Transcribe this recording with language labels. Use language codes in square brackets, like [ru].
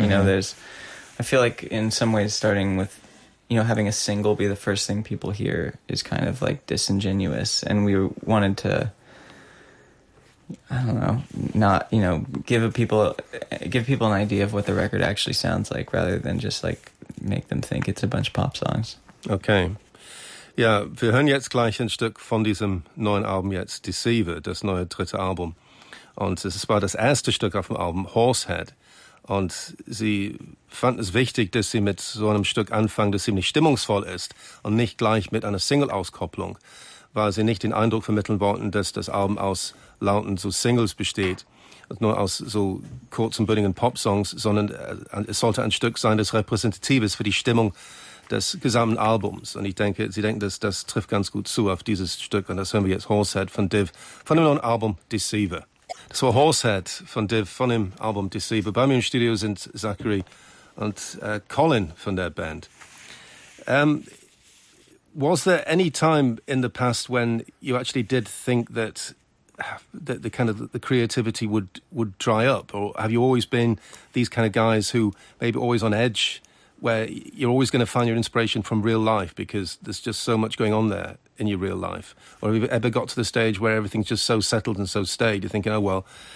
[en] You know, I feel like in some ways starting with, you know, having a single be the first thing people hear is kind of like disingenuous. And we wanted to, I don't know, not, you know, give people an idea of what the record actually sounds like rather than just like make them think it's a bunch of pop songs. Okay. [de] Ja, wir hören jetzt gleich ein Stück von diesem neuen Album jetzt, Deceiver, das neue dritte Album. Und es war das erste Stück auf dem Album, Horsehead. Und sie fanden es wichtig, dass sie mit so einem Stück anfangen, das ziemlich stimmungsvoll ist und nicht gleich mit einer Single-Auskopplung, weil sie nicht den Eindruck vermitteln wollten, dass das Album aus lauten so Singles besteht, nur aus so kurzen, bündigen Pop-Songs, sondern es sollte ein Stück sein, das repräsentativ ist für die Stimmung des gesamten Albums. Und ich denke, sie denken, dass das trifft ganz gut zu auf dieses Stück. Und das hören wir jetzt, Horsehead von Div, von dem neuen Album Deceiver. Das war Horsehead von Div, von dem Album Deceiver. Bei mir im Studio sind Zachary und Colin von der Band. [en] Was there any time in the past when you actually did think that the kind of the creativity would dry up? Or have you always been these kind of guys who maybe always on edge, where you're always going to find your inspiration from real life because there's just so much going on there in your real life? Or have you ever got to the stage where everything's just so settled and so staid? You're thinking, oh, well,